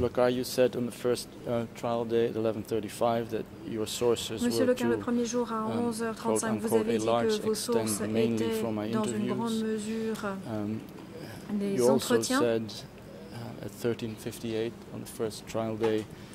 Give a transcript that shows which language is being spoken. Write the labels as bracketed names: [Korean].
[English] Locard, you said on the first trial day at 11:35 that your sources [French] Monsieur [English] were [French] le premier jour à 11h35, vous avez dit que vos sources étaient dans une grande mesure des entretiens. [English] You also said at 13:58 on the first trial day.